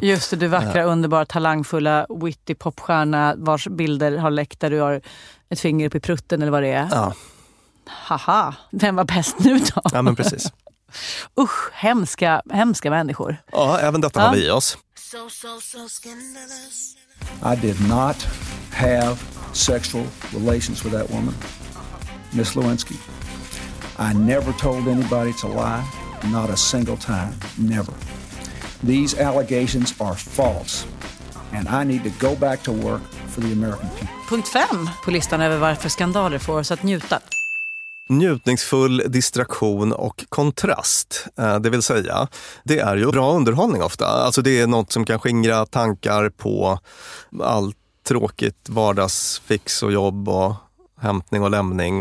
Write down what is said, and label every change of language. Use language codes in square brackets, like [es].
[sv] Just det, du vackra, underbara, talangfulla, witty popstjärna vars bilder har läckt där du har ett finger upp i prutten eller vad det är. Ja. Haha, vem var bäst nu då? Ja, men precis. Usch, hemska, hemska människor. Ja, även detta har vi i oss. [en] I did not have sexual relations with that woman, Miss Lewinsky. I never told anybody to lie, not a single time, never. These allegations are false. And I need to go back to work for the American people. [sv] Punkt 5 på listan över varför skandaler får oss att njuta. Njutningsfull distraktion och kontrast, det vill säga, det är ju bra underhållning ofta. Alltså det är något som kan skingra tankar på allt tråkigt vardagsfix och jobb och hämtning och lämning.